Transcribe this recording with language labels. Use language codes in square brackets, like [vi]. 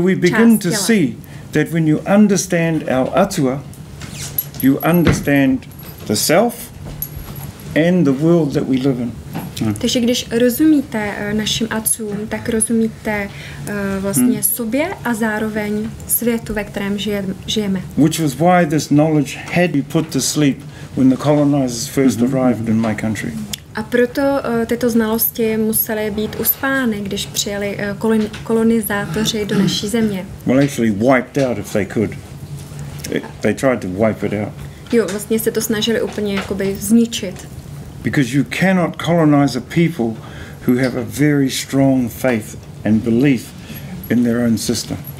[en] So we begin to see that when you understand our atua, you understand the self and the world that we live in. [cs] Takže když rozumíte našim atuům, tak rozumíte vlastně sobě a zároveň světu, ve kterém žijeme. [en] Which was why this knowledge had to be put to sleep when the colonizers first arrived in my country. [cs] A proto tyto znalosti musely být uspány, když přijeli kolonizátoři do naší země. [en] Well, actually wiped out if they could. They tried to wipe it out. [cs] Jo, vlastně se to snažili úplně jakoby zničit. [en] Because you cannot colonize a people who have a very strong faith and belief in their own system.